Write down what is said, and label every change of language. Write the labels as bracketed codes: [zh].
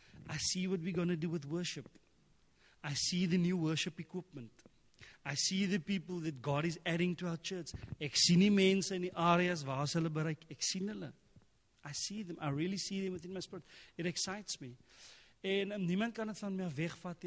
[en] I see what we're going to do with worship. I see the new worship equipment. I see the people that God is adding to our church. [af] Ek sien die mense in die areas waar hulle bereik. Ek sien hulle. [en] I see them. I really see them within my spirit. It excites me. [af] En niemand kan het van my wegvat.